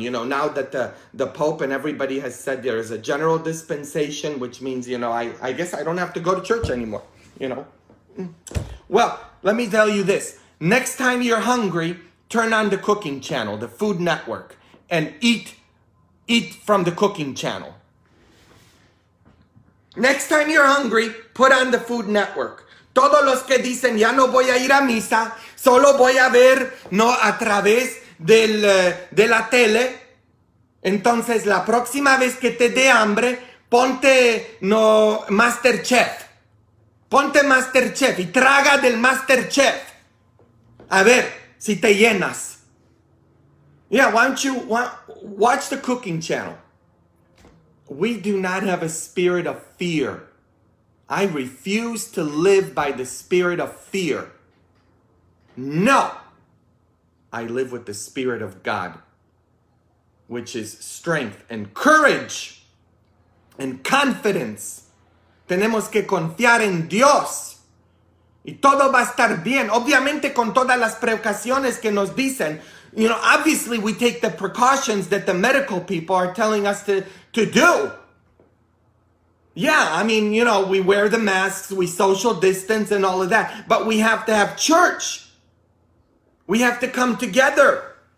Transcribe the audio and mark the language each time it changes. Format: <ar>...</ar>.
<en>You know, now that the Pope and everybody has said there is a general dispensation, which means, you know, I guess I don't have to go to church anymore, you know. Well, let me tell you this. Next time you're hungry, turn on the cooking channel, the Food Network, and eat from the cooking channel. Next time you're hungry, put on the Food Network.</en> <es>Todos los que dicen, ya no voy a ir a misa, solo voy a ver, no, a través de la tele. Entonces, la próxima vez que te dé hambre, ponte, no, MasterChef. Ponte MasterChef y traga del MasterChef. A ver si te llenas.</es> <en>Yeah, why don't you watch the cooking channel? We do not have a spirit of fear. I refuse to live by the spirit of fear. No. I live with the spirit of God, which is strength and courage and confidence.</en> <es>Tenemos que confiar en Dios. Y todo va a estar bien. Obviamente con todas las precauciones que nos dicen.</es> <en>You know, obviously we take the precautions that the medical people are telling us to do. Yeah, I mean, you know, we wear the masks, we social distance and all of that. But we have to have church. We have to come together.</en>